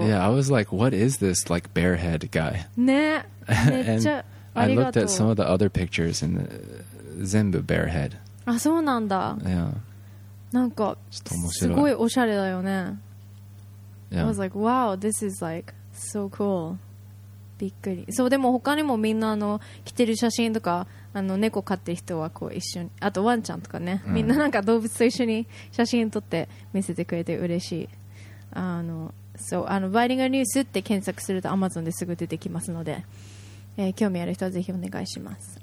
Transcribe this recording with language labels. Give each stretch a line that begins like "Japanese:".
English: Yeah, I was like, what is this, like, bear head guy?
Japanese: ね、めっちゃ、ありがとう。
English: And I looked at some of the other pictures and
Japanese: 全部
English: bear head.
Japanese: あ、そうなんだ。
English: Yeah.
Japanese: なんか、すごいおしゃれだよね。
English: Yeah. I was like, wow, this is like so cool.
Japanese: びっくり。そう、でも他にもみんなあの着てる写真とか、あの猫飼ってる人はこう一緒に、あとワンちゃんとかね、みんななんか動物と一緒に写真撮って見せてくれて嬉しい。あの、そう、あのバイリンガルニュースって検索するとAmazonですぐ出てきますので、興味ある人はぜひお願いします。